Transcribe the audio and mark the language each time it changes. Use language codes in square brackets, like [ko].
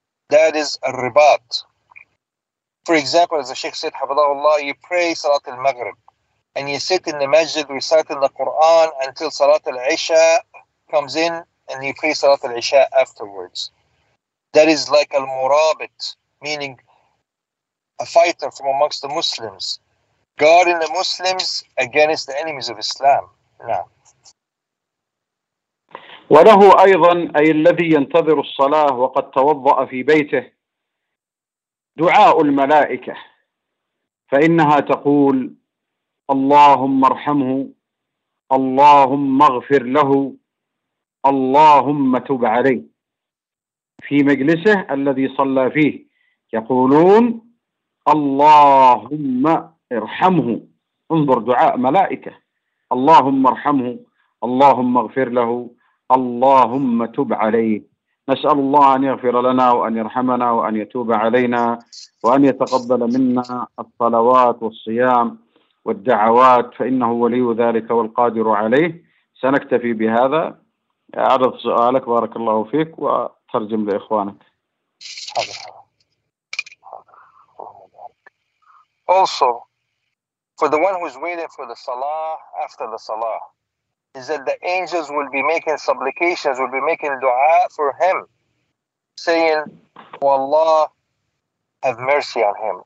[en] That is a ribat. For example, as the Sheikh said, Habibullah, you pray Salat al-Maghrib and you sit in the masjid reciting the Quran until Salat al-Isha comes in and you pray Salat al-Isha afterwards. That is like al-murabit, meaning a fighter from amongst the Muslims, guarding the Muslims against the enemies of Islam. Now. [ar] وله أيضا أي الذي ينتظر الصلاة وقد توضأ في بيته دعاء الملائكة، فإنها تقول: اللهم ارحمه، اللهم اغفر له، اللهم تب عليه، في مجلسه الذي صلى فيه يقولون: اللهم ارحمه. انظر دعاء ملائكة: اللهم ارحمه، اللهم اغفر له، اللهم تب عليه. نسأل الله أن يغفر لنا وأن يرحمنا وأن يتوب علينا وأن يتقبل منا الصلوات والصيام والدعوات، فإنه ولي ذلك والقادر عليه. سنكتفي بهذا. أعرض سؤالك بارك الله فيك وترجم لإخوانك. [en] Also, for the one who is waiting for the salah after the salah, is that the angels will be making supplications, will be making dua for him, saying, oh Allah, have mercy on him.